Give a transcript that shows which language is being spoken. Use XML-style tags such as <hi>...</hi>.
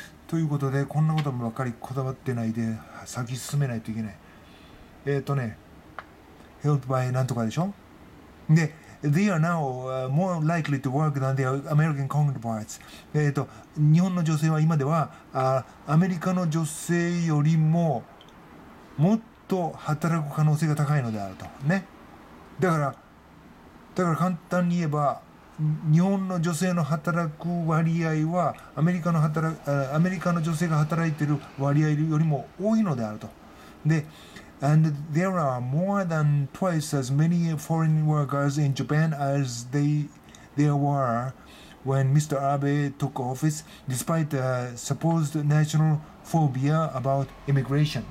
<ja>ということで、こんなことも分かり、こだわってないで先進めないといけない。</ja> <en>Held by</en> <ja>なんとかでしょ。</ja> <en>で、They are now more likely to work than their American counterparts.</en> <ja>日本の女性は今ではアメリカの女性よりももっと働く可能性が高いのであるとね。だから簡単に言えば、日本の女性の働く割合はアメリカの女性が働いている割合よりも多いのであると。</ja> <en>で、And there are more than twice as many foreign workers in Japan as there were when Mr. Abe took office, despite a supposed national phobia about immigration.</en>